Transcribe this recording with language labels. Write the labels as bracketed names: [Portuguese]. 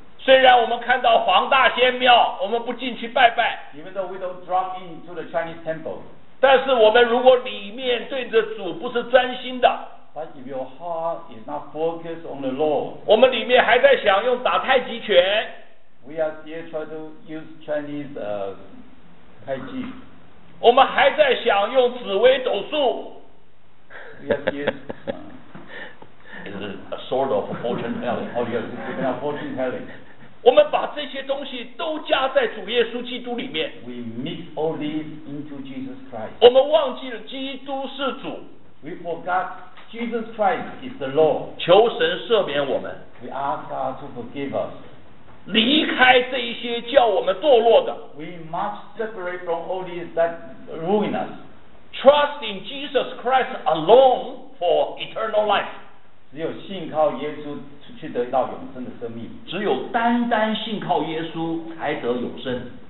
[Chinese] 虽然我们看到黄大仙庙，我们不进去拜拜。 [English] Even though we don't drop into the Chinese temple. [Chinese] 但是我们如果里面对着主不是专心的。 [English] But if your heart is not focused on the Lord. [Chinese] 我们里面还在想用打太极拳。 [English] We are still trying to use Chinese, 太极。 [Chinese] 我们还在想用紫微斗数。 [English] We are still, a sort of fortune telling. Oh, yes, it's a fortune telling. [Chinese] 我们把这些东西都加在主耶稣基督里面。 [English] We mix all these into Jesus Christ. [Chinese] 我们忘记了基督是主。 [English] We forgot Jesus Christ is the Lord. [Chinese] 求神赦免我们。 [English] We ask God to forgive us. [Chinese] 离开这一些叫我们堕落的。 [English] We must separate from all these that ruin us. Trust in Jesus Christ alone for eternal life. [Chinese] 只有信靠耶稣去得到永生的生命。只有单单信靠耶稣才得永生。